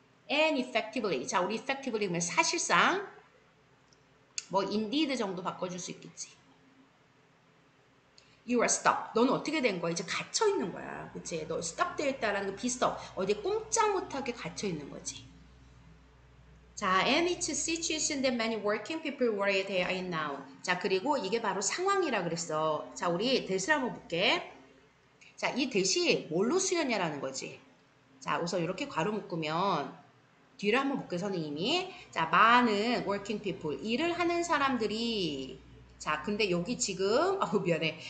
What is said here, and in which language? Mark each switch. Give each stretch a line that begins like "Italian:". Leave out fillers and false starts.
English: And effectively.
Korean: 자 우리 effectively 그러면 사실상 뭐 indeed 정도 바꿔줄 수 있겠지.
English: You are stuck.
Korean: 너는 어떻게 된 거야? 이제 갇혀 있는 거야. 그치? 너 stuck 되어 있다라는 거, be stuck. 어디 꼼짝 못하게 갇혀 있는 거지.
English: 자, and it's a situation that many working people worry about now.
Korean: 자, 그리고 이게 바로 상황이라 그랬어. 자, 우리 대시를 한번 볼게. 자, 이 대시 뭘로 쓰였냐라는 거지. 자, 우선 이렇게 괄호 묶으면 뒤를 한번 볼게, 선생님이. 자, 많은 working people, 일을 하는 사람들이 자, 근데 여기 지금, 아우 미안해.